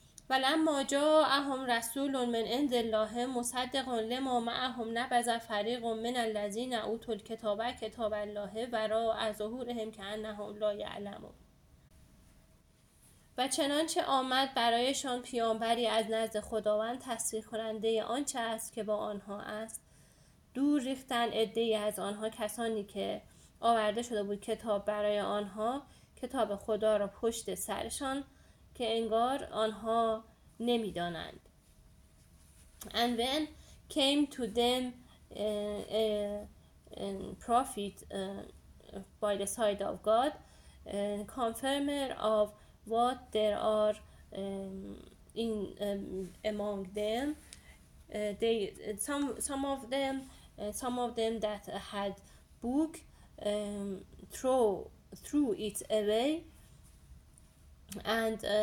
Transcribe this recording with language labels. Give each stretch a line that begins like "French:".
Arabic: ولما جاء اهم رسول من عند الله مصدق لما معهم نبذ فريق من الذين اوتوا الكتاب كتاب الله وراء ظهورهم كأنهم لا يعلمون.
Persian: و چنانچه آمد برایشان پیامبری از نزد خداوند تصدیق کننده آنچه است که با آنها است، دور ریختن عده ای از آنها، کسانی که آورده شده بود کتاب برای آنها، کتاب خدا را پشت سرشان، که انگار آنها نمی دانند.
English: And when came to them a prophet by the side of God, confirmer of what there are in among them, they some of them that had book threw it away, and